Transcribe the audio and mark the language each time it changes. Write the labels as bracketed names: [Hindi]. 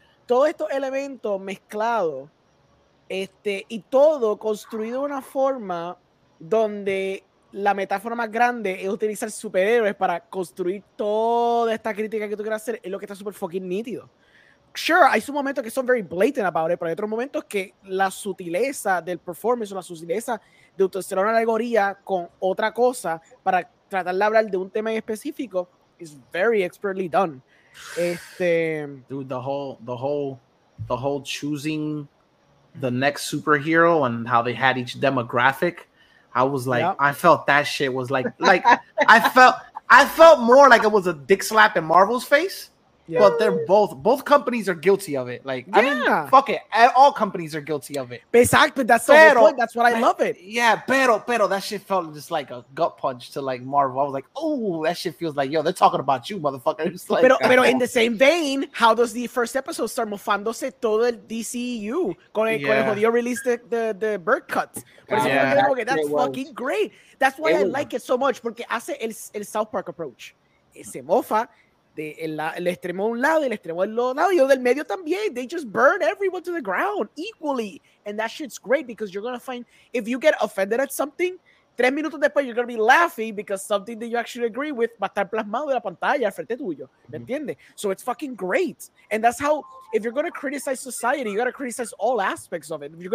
[Spanish] Todos estos elementos mezclados y todo construido de una forma donde la metáfora más grande es utilizar superhéroes para construir toda esta crítica que tú quieras hacer es lo que está súper fucking nítido. Sure, hay some momentos que son [English] very blatant about it, [Spanish] pero hay otros momentos que la sutileza del performance o la sutileza de utilizar una alegoría con otra cosa para tratar de hablar de un tema en específico [English] is very expertly done. Dude, the whole choosing the next superhero and how they had each demographic, I was like, yep. I felt that shit was like I felt more like it was a dick slap in Marvel's face. Yeah. But they're both companies are guilty of it. Like, yeah. I mean, fuck it, all companies are guilty of it. Exactly, that's the whole point. That's what I love it. Yeah, pero that shit felt just like a gut punch to like Marvel. I was like, oh, that shit feels like, yo, they're talking about you, motherfucker. It's like, pero in the same vein, how does the first episode start [Spanish] mofándose todo el DCEU con el jodido [English] release the bird cuts? Fucking great. That's why I like it so much, [Spanish] porque hace el South Park approach. Se mofa el extremo de un lado y el extremo del otro lado y del medio también. [English] They just burn everyone to the ground equally. And that shit's great because you're going to find, if you get offended at something, [Spanish] 3 minutos después [English] you're going to be laughing because something that you actually agree with [Spanish] va a estar plasmado en la pantalla frente tuyo. ¿Me entiendes? [English] So it's fucking great. And that's how, if you're going to criticize society, you got to criticize all aspects of it.